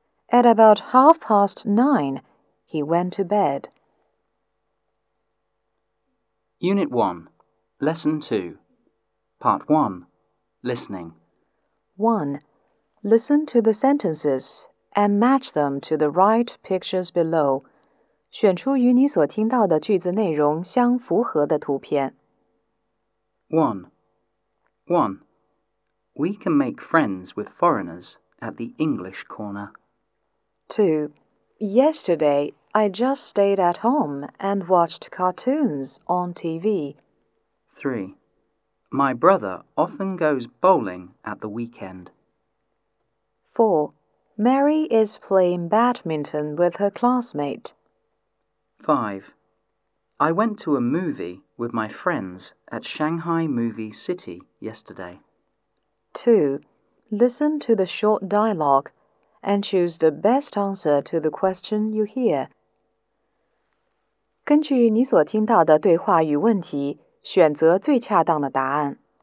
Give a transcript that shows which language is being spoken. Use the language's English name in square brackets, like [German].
[English] At about 9:30, he went to bed. Unit 1, Lesson 2, Part 1, Listening. 1. Listen to the sentences and match them to the right pictures below. [Chinese] 选出与你所听到的句子内容相符合的图片。 [English] 1. We can make friends with foreigners at the English corner. 2. Yesterday, I just stayed at home and watched cartoons on TV. 3. My brother often goes bowling at the weekend. 4. Mary is playing badminton with her classmate. 5. I went to a movie with my friends at Shanghai Movie City yesterday. 2. Listen to the short dialogue and choose the best answer to the question you hear. [Chinese] 根据你所听到的对话与问题，选择最恰当的答案。